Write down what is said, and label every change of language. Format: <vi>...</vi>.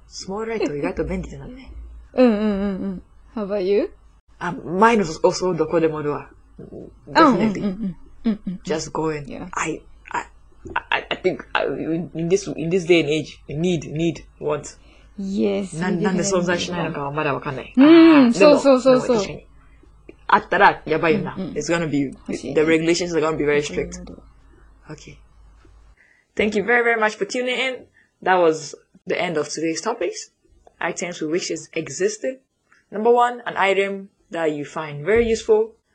<en>Small writer, you got to bend it in a minute. How about you? Mine was also Doko Demo Doa. Definitely. Just going. Yeah. I think in this day and age, need, want. Yes.</en> <ja>なんで存在しないのかはまだわかんない。そう。あったらやばいよな。</ja> <en>It's gonna be, the regulations are gonna be very strict. Okay. Thank you very, very much for tuning in. That was the end of today's topics. Items with wishes existed. Number one, an item that you find very useful.</en>